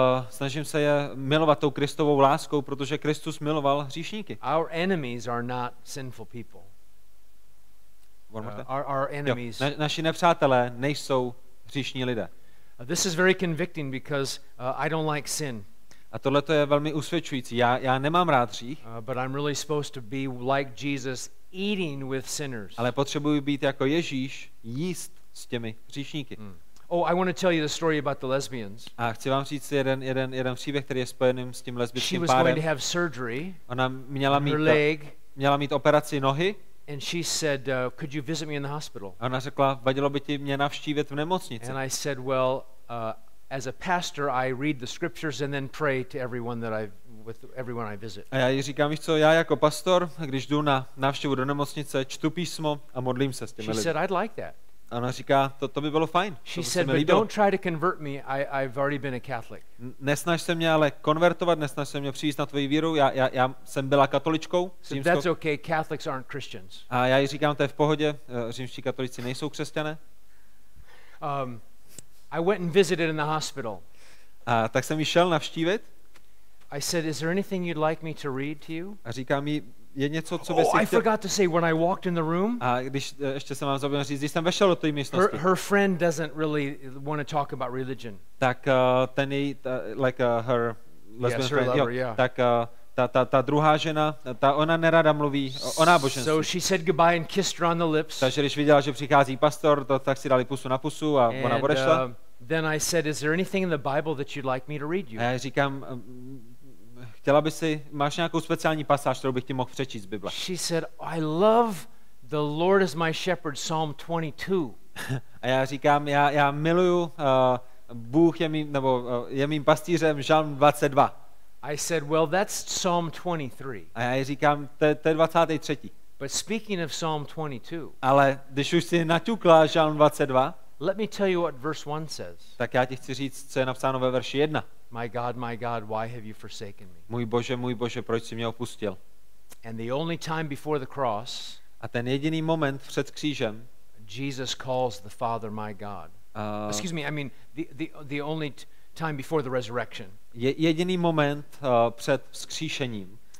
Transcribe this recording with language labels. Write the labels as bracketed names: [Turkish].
[Czech] Snažím se je milovat tou Kristovou láskou, protože Kristus miloval hříšníky. [English] Our enemies are not sinful people. Our enemies. [Czech] Naši nepřátelé nejsou hříšní lidé. [English] This is very convicting because I don't like sin. [Czech] A tohle to je velmi usvědčující. Já nemám rád hřích. [English] But I'm really supposed to be like Jesus eating with sinners. [Czech] Ale potřebuji být jako Ježíš, jíst s těmi hříšníky. Mm. [English] Oh, I want to tell you the story about the lesbians. [Czech] A chci vám říct jeden příběh, který je spojený s tím lesbickým párem. [English] She was going to have surgery. [Czech] Ona měla mít [English] leg. [Czech] Měla mít operaci nohy. [English] And she said, "Could you visit me in the hospital?" [Czech] A ona řekla, vadilo by ti mě navštívit v nemocnici. [English] And I said, "Well, as a pastor, I read the scriptures and then pray to everyone I visit." [Czech] A já jí říkám, víš co, já jako pastor, když jdu na návštěvu do nemocnice, čtu písmo a modlím se s těmi lidmi. [English] She said, "I'd like that." [Czech] A ona říká, to by bylo fajn. [English] She said, "But don't try to convert me. I've already been a Catholic." [Czech] Nesnaž se mě ale konvertovat, nesnaž se mě přijít na tvoji víru. Já jsem byla katoličkou. [English] So that's okay. Catholics aren't Christians. [Czech] A já jí říkám, to je v pohodě. Římští katolíci nejsou křesťané. [English] I went and visited in the hospital. [Czech] A tak jsem jí šel navštívit. [English] I said, "Is there anything you'd like me to read to you?" [Czech] A říká mi, je něco, co [English] oh, I forgot to say, when I walked in the room. [Czech] A když ještě jsem vám zapomněl říct, když jsem vešel do té místnosti. [English] Her friend doesn't really want to talk about religion. [Czech] Tak ten její, [English] her lesbian yes, friend. Her lover, [Czech] jo, [English] yeah. [Czech] Tak ta druhá žena, ta ona nerada mluví o náboženství. [English] So she said goodbye and kissed her on the lips. [Czech] Takže když viděla, že přichází pastor, tak si dali pusu na pusu a [English] and, [Czech] ona odešla. [English] Then I said, "Is there anything in the Bible that you'd like me to read you?" [Czech] A já říkám, chtěla by si, máš nějakou speciální pasáž, kterou bych ti mohl přečíst z Bible? [English] She said, "I love the Lord is my shepherd, Psalm 22." [Czech] A já říkám, já miluju Bůh je mým, nebo je mým pastýřem, Žalm 22. [English] I said, well, that's Psalm 23. [Czech] A já říkám, to je 23. [English] But speaking of Psalm 22. [Czech] Ale když už jsi naťukla Žalm 22. [English] Let me tell you what verse 1 says. [Czech] Tak já ti chci říct, co je napsáno ve verši 1. [English] My God, why have you forsaken me? [Czech] Můj Bože, proč jsi mě opustil? [English] And the only time before the cross. [Czech] A ten jediný moment před křížem. [English] Jesus calls the Father my God. Excuse me, I mean the only time before the resurrection. [Czech] Jediný moment před vzkříšením.